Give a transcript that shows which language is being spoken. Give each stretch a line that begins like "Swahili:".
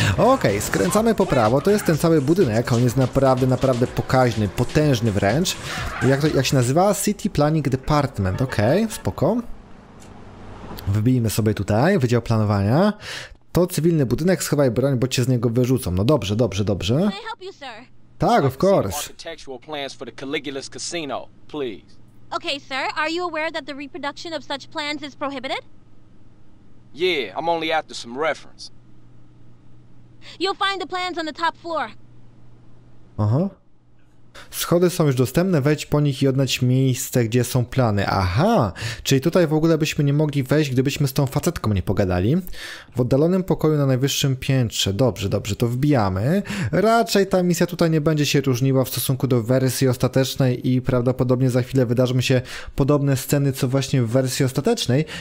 Polish: Okej, skręcamy po prawo, to jest ten cały budynek, on jest naprawdę, naprawdę pokaźny, potężny wręcz. Jak się nazywa? City Planning Department, okej, spoko. Wbijmy sobie tutaj wydział planowania. To cywilny budynek, schowaj broń, bo cię z niego wyrzucą. No dobrze, dobrze, dobrze. Tak,
English: of course. Architectural plans for the Caligula's casino, please. Okay, sir. Are you aware that the reproduction of such plans is prohibited? Yeah, I'm only after some reference. You'll find the plans on the top floor. Aha.
Polish: Schody są już dostępne, wejdź po nich i odnajdź miejsce, gdzie są plany. Aha, czyli tutaj w ogóle byśmy nie mogli wejść, gdybyśmy z tą facetką nie pogadali. W oddalonym pokoju na najwyższym piętrze. Dobrze, dobrze, to wbijamy. Raczej ta misja tutaj nie będzie się różniła w stosunku do wersji ostatecznej i prawdopodobnie za chwilę wydarzą się podobne sceny, co właśnie w wersji ostatecznej.